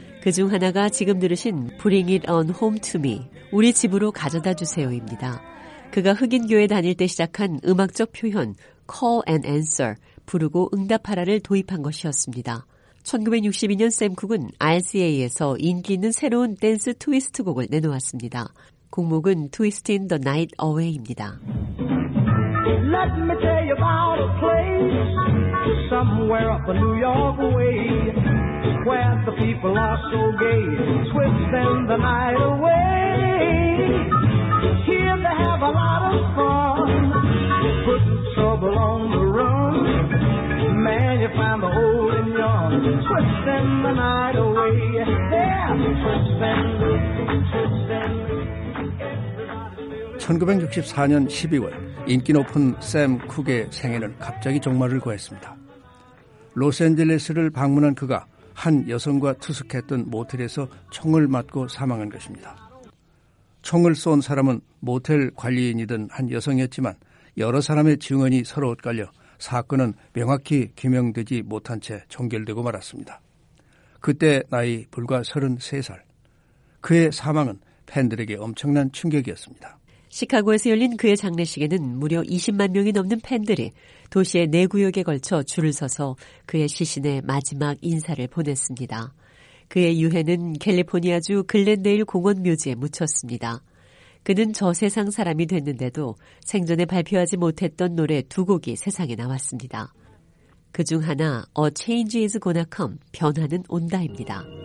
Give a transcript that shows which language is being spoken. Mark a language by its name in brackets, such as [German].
[Korean] 그중 하나가 지금 들으신 Bring It On Home To Me, 우리 집으로 가져다 주세요입니다. 그가 흑인 교회 다닐 때 시작한 음악적 표현 Call and Answer, 부르고 응답하라를 도입한 것이었습니다. 1962년 샘 쿡은 RCA에서 인기 있는 새로운 댄스 트위스트 곡을 내놓았습니다. 곡목은 [English] Twist in the Night Away입니다. Let me tell you about a place somewhere up in New York way where the people are so gay, twisting the night away. Here they have a lot of fun, put trouble on the run. Man, you find the old and young, twisting the night away. Yeah, twisting, twisting. [Korean] 1964년 12월, 인기 높은 샘 쿡의 생애는 갑자기 종말을 구했습니다. 로스앤젤레스를 방문한 그가 한 여성과 투숙했던 모텔에서 총을 맞고 사망한 것입니다. 총을 쏜 사람은 모텔 관리인이던 한 여성이었지만 여러 사람의 증언이 서로 엇갈려 사건은 명확히 규명되지 못한 채 종결되고 말았습니다. 그때 나이 불과 33살, 그의 사망은 팬들에게 엄청난 충격이었습니다. 시카고에서 열린 그의 장례식에는 무려 20만 명이 넘는 팬들이 도시의 네 구역에 걸쳐 줄을 서서 그의 시신에 마지막 인사를 보냈습니다. 그의 유해는 캘리포니아주 글렌데일 공원 묘지에 묻혔습니다. 그는 저세상 사람이 됐는데도 생전에 발표하지 못했던 노래 두 곡이 세상에 나왔습니다. 그중 하나, A Change is Gonna Come, 변화는 온다입니다.